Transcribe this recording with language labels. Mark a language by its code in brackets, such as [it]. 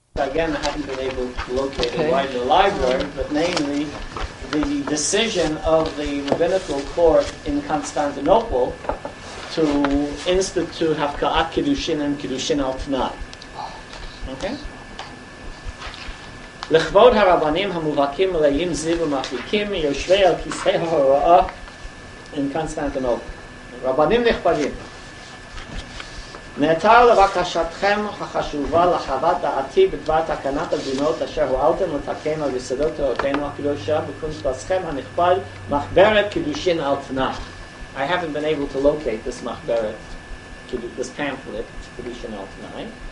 [en] again, I haven't been able to locate it in the library, but namely, the decision of the rabbinical court in Constantinople to institute Havka'at Kiddushin and Kiddushin al-Tnai. [he] לכבוד הרבנים המובהקים מלאים זיו ומחליקים יושבי על כיסא ההוראה in Constantinople. רבנים נכבדים, נעתר לבקשתכם החשובה לחוות דעתי בדבר תקנת הדינות אשר הועלתם לתקן על יסודות תורתנו הקדושה בקונספסכם הנכבד מחברת קידושין על תנך. [en] I haven't been able to locate this מחברת, this pamphlet, קידושין על תנאי.